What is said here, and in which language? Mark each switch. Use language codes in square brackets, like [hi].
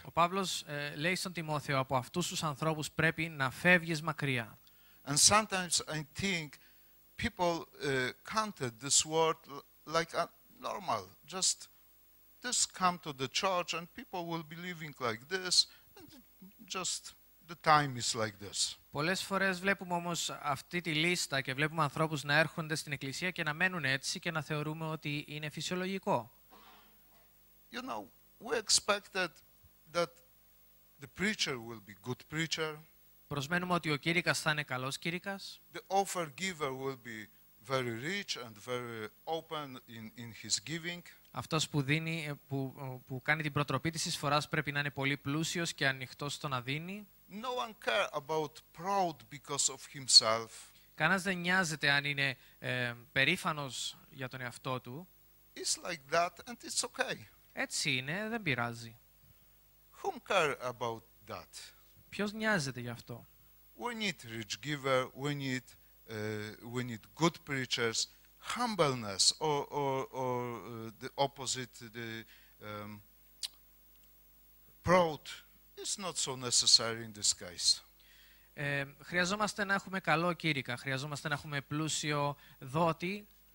[el] Ο Παύλος λέει στον Τιμόθεο, από αυτούς τους ανθρώπους πρέπει να φεύγεις μακριά. [en] And sometimes I think people counted this word like a normal, just this come to the church and people will be living like this, and just the time is like this. [el] Πολλές φορές βλέπουμε όμως αυτή τη λίστα και βλέπουμε ανθρώπους να έρχονται στην εκκλησία και να μένουν έτσι και να θεωρούμε ότι είναι φυσιολογικό. [en] You know, we expected that the preacher will be good preacher. [el] Προσμένουμε ότι ο κήρυκας θα είναι καλός κήρυκας. [en] The offer giver will be very rich and very open in his giving. [el] Αυτός που δίνει, που κάνει την προτροπή της εισφοράς πρέπει να είναι πολύ πλούσιος και ανοιχτός στο να δίνει. [en] No one care about proud because of himself. [el] Κανάς δεν νοιάζεται αν είναι περήφανος για τον εαυτό του. [en] It's like that and it's okay. [el] Έτσι είναι, δεν πειράζει. [en] Whom care about that? Ποιος νοιάζεται γι' αυτό? We need rich giver, we need good preachers, humbleness or the opposite, the proud. It's not so necessary in this case. [el] Χρειαζόμαστε να έχουμε καλό κήρυκα, χρειαζόμαστε να έχουμε πλούσιο δότη.